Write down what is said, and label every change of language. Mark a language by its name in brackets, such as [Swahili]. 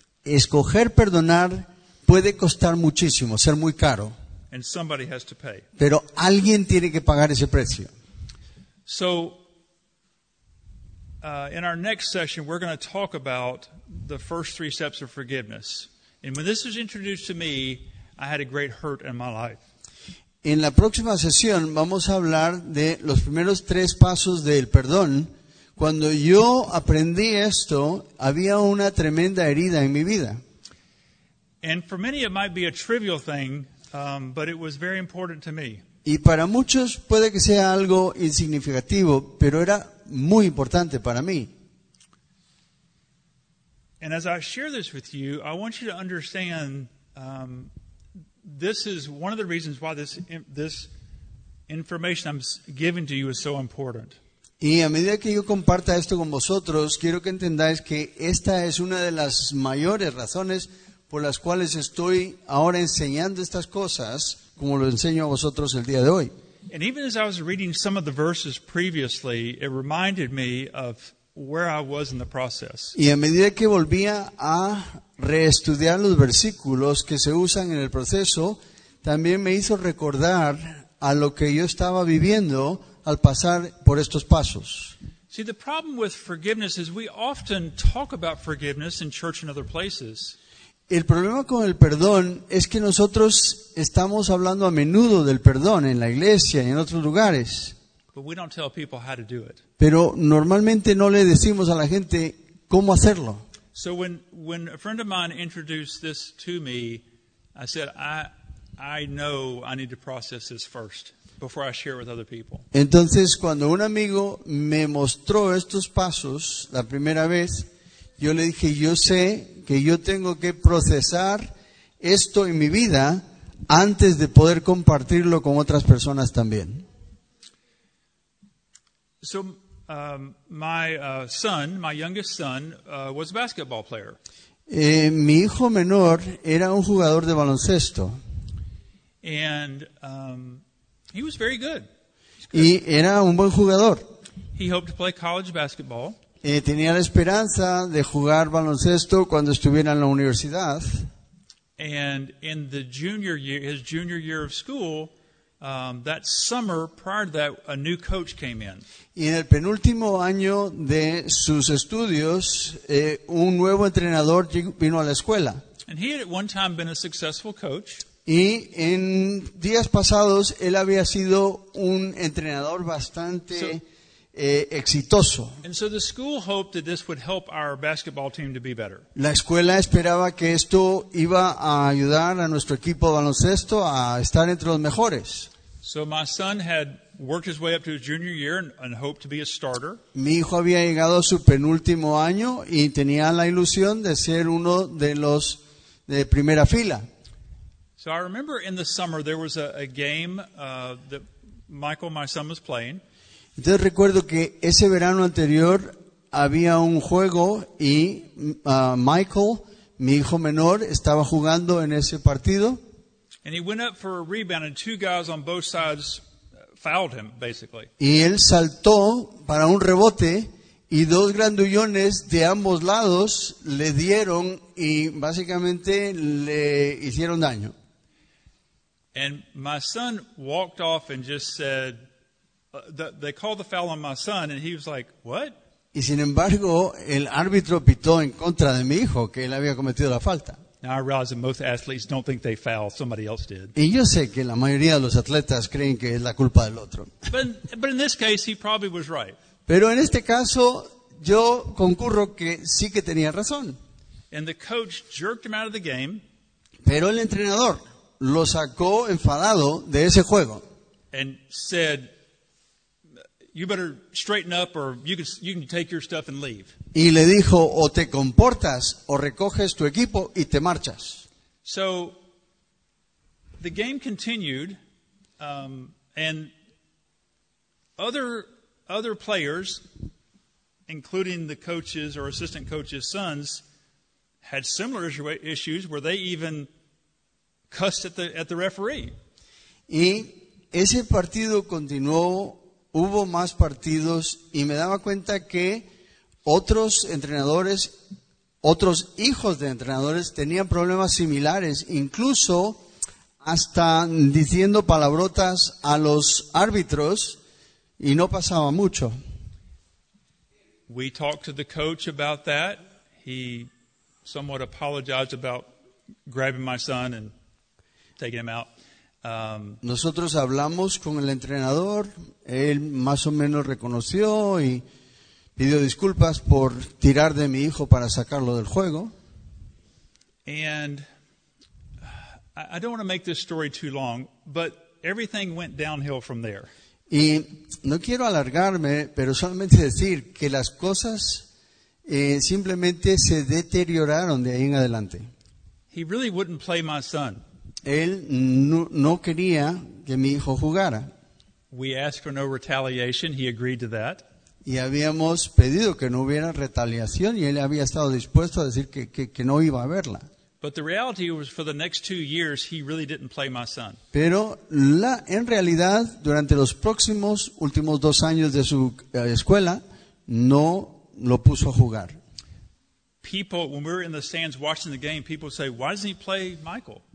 [Spanish] Escoger perdonar puede costar muchísimo, ser muy caro. [English] And somebody has to pay. [Spanish] Pero alguien tiene que pagar ese precio. [English] So, in our next session, we're going to talk about the first three steps of forgiveness. And when this was introduced to me, I had a great hurt in my life. [Spanish] En la próxima sesión vamos a hablar de los primeros tres pasos del perdón. Cuando yo aprendí esto, había una tremenda herida en mi vida. [English] And for many, it might be a trivial thing, but it was very important to me. [Spanish] Y para muchos puede que sea algo insignificativo, pero era muy importante para mí. [English] And as I share this with you, I want you to understand this is one of the reasons why this information I'm giving to you is so important. [Spanish] Y a medida que yo comparta esto con vosotros, quiero que entendáis que esta es una de las mayores razones por las cuales estoy ahora enseñando estas cosas, como lo enseño a vosotros el día de hoy. [English] And even as I was reading some of the verses previously, it reminded me of where I was in the process. [Spanish] Y a medida que volvía a reestudiar los versículos que se usan en el proceso, también me hizo recordar a lo que yo estaba viviendo al pasar por estos pasos. [English] See, the problem with forgiveness is we often talk about forgiveness in church and other places. [Spanish] El problema con el perdón es que nosotros estamos hablando a menudo del perdón en la iglesia y en otros lugares. [English] But we don't tell people how to do it. [Spanish] Pero normalmente no le decimos a la gente cómo hacerlo. [English] So when a friend of mine introduced this to me, I said, I know I need to process this first before I share with other people. [Spanish] Entonces, cuando un amigo me mostró estos pasos la primera vez, yo le dije, yo sé que yo tengo que procesar esto en mi vida antes de poder compartirlo con otras personas también. [English] So, my youngest son was a basketball player. [Spanish] Mi hijo menor era un jugador de baloncesto. [English] And he was very good. [Spanish] Y era un buen jugador. [English] He hoped to play college basketball. [Spanish] Tenía la esperanza de jugar baloncesto cuando estuviera en la universidad. [English] And in the junior year, his junior year of school, that summer prior to that, a new coach came in. [Spanish] Y en el penúltimo año de sus estudios, un nuevo entrenador vino a la escuela. [English] And he had at one time been a successful coach. [Spanish] Y en días pasados, él había sido un entrenador bastante exitoso. [English] And so the school hoped that this would help our basketball team to be better. [Spanish] La escuela esperaba que esto iba a ayudar a nuestro equipo de baloncesto a estar entre los mejores. [English] So my son had worked his way up to his junior year and hoped to be a starter. [Spanish] Mi hijo había llegado a su penúltimo año y tenía la ilusión de ser uno de los de primera fila. [English] So I remember in the summer there was a game that Michael, my son, was playing. [Spanish] Entonces recuerdo que ese verano anterior había un juego y Michael, mi hijo menor, estaba jugando en ese partido. [English] And he went up for a rebound, and two guys on both sides fouled him, basically. [Spanish] Y él saltó para un rebote, y dos grandullones de ambos lados le dieron y básicamente le hicieron daño. [English] And my son walked off and just said, they called the foul on my son, and he was like, what? [Spanish] Y sin embargo, el árbitro pitó en contra de mi hijo, que él había cometido la falta. [English] Now I realize that most athletes don't think they foul, somebody else did. [Spanish] Y yo sé que la mayoría de los atletas creen que es la culpa del otro. [English] But in this case, he probably was right. [Spanish] Pero en este caso, yo concurro que sí que tenía razón. [English] And the coach jerked him out of the game. [Spanish] Pero el entrenador lo sacó enfadado de ese juego. [English] And said, you better straighten up or you can take your stuff and leave. [Spanish] Y le dijo, o te comportas o recoges tu equipo y te marchas. [English] So the game continued and other players, including the coaches or assistant coaches' sons, had similar issues where they even cussed at the referee. [Spanish] Y ese partido continuó. Hubo más partidos y me daba cuenta que otros entrenadores, otros hijos de entrenadores tenían problemas similares, incluso hasta diciendo palabrotas a los árbitros y no pasaba mucho. [English] We talked to the coach about that. He somewhat apologized about grabbing my son and taking him out. [Spanish] Nosotros hablamos con el entrenador, él más o menos reconoció y pidió disculpas por tirar de mi hijo para sacarlo del juego. [English] And I don't want to make this story too long, but everything went downhill from there. [Spanish] Y no quiero alargarme, pero solamente decir que las cosas simplemente se deterioraron de ahí en adelante. [English] He really wouldn't play my son. [Spanish] Él no quería que mi hijo jugara. [English] We asked for no retaliation. He agreed to that. [Spanish] Y habíamos pedido que no hubiera retaliación y él había estado dispuesto a decir que no iba a haberla. [English] But the reality was for the next 2 years he really didn't play my son. [Spanish] Pero en realidad durante los próximos últimos 2 años de su escuela no lo puso a jugar. [English] People, when we were in the stands watching the game, people say, why doesn't he play Michael?